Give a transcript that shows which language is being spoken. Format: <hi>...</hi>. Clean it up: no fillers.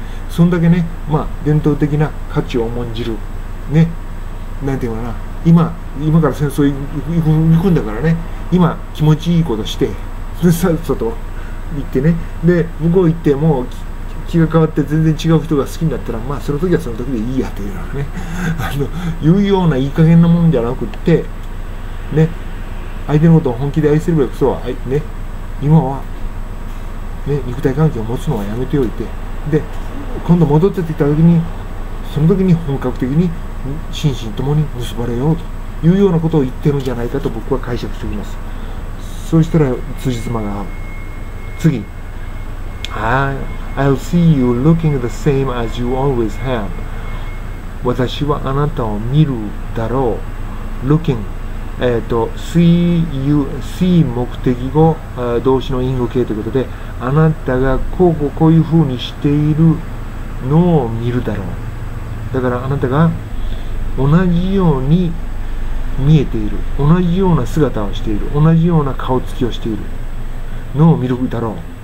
<ja>そんだけね、まあ伝統的な価値を重んじるね、なんていうかな、今から戦争行くんだからね、今気持ちいいことして、それさっさと行ってね、で向こう行ってもう気が変わって全然違う人が好きになったら、まあその時はその時でいいやというのはね、あの言うようないい加減なもんじゃなくってね、相手のことを本気で愛すればこそは、ね、今は、ね、肉体関係を持つのはやめておいて、で今度戻ってきた時に、その時に本格的に心身ともに結ばれようというようなことを言ってるんじゃないかと僕は解釈しております。そうしたら辻褄が合う。</ja> <en>次、I'll see you looking the same as you always have。</en> <ja>私はあなたを見るだろう。</ja> <en>Looking、see you、 see</en> <ja>目的語、動詞の因果形ということで、あなたがこうこうこういうふうにしているのを見るだろう。だからあなたが同じように見えている、同じような姿をしている、同じような顔つきをしているのを見るだろう。</ja>